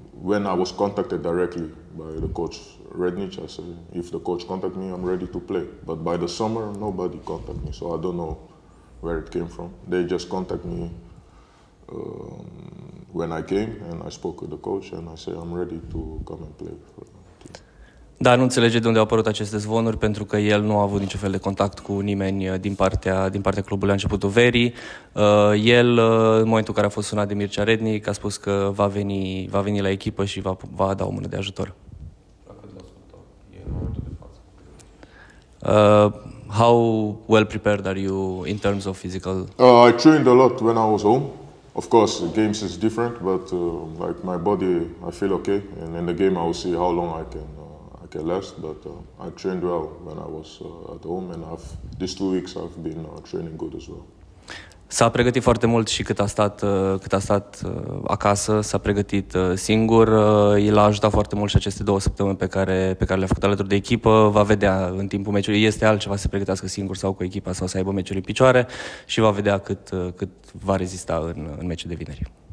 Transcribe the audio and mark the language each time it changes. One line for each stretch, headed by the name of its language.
English: When I was contacted directly by the coach Rednich, I said, if the coach contacted me, I'm ready to play. But by the summer, nobody contacted me, so I don't know where it came from. They just contacted me when I came and I spoke with the coach and I said I'm ready to come and play for the team.
Romanian: Dar nu înțelege de unde au apărut aceste zvonuri, pentru că el nu a avut niciun fel de contact cu nimeni din partea clubului la începutul verii. El, în momentul în care a fost sunat de Mircea Rednic, a spus că va veni la echipă și va da o mână de ajutor.
English: How well prepared are you in terms of physical? I trained a lot when I was home. Of course, games is different, but like my body, I feel okay. And in the game, I will see how long I can last. But I trained well when I was at home, and these 2 weeks I've been training good as well.
Romanian: S-a pregătit foarte mult și cât a stat acasă, s-a pregătit singur. El a ajutat foarte mult și aceste 2 săptămâni pe care le-a făcut alături de echipă. Va vedea în timpul meciului. Este altceva să se pregătească singur sau cu echipa sau să aibă meciuri în picioare și va vedea cât va rezista în meciul de vineri.